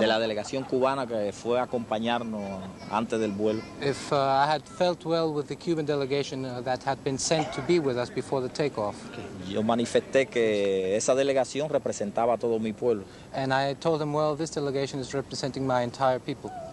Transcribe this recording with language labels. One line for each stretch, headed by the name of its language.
Spanish: De la delegación cubana que fue a acompañarnos antes del vuelo.
English: If I had felt well with the Cuban delegation that had been sent to be with us before the takeoff. Okay.
Spanish: Yo manifesté que esa delegación representaba a todo mi pueblo.
English: And I told them, well, this delegation is representing my entire people.